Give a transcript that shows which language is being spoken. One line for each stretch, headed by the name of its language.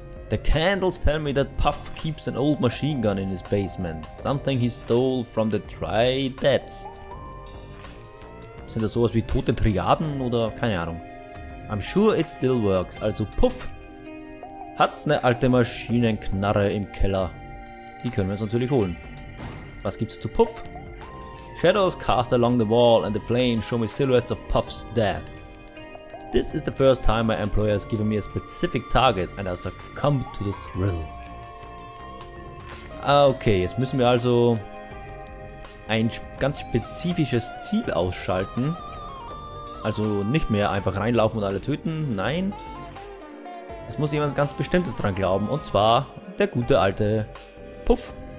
English: The candles tell me that Puff keeps an old machine gun in his basement. Something he stole from the Tri-Deads.
German: Sind das sowas wie tote Triaden oder keine Ahnung?
English: I'm sure it still works.
German: Also Puff hat eine alte Maschinenknarre im Keller. Die können wir uns natürlich holen. Was gibt's zu Puff?
English: Shadows cast along the wall and the flames show me silhouettes of Puff's death. This is the first time my employer has given me a specific target and I succumb to the thrill.
German: Okay, jetzt müssen wir also ein ganz spezifisches Ziel ausschalten. Also nicht mehr einfach reinlaufen und alle töten, nein. Es muss jemand ganz Bestimmtes dran glauben und zwar der gute alte Puff.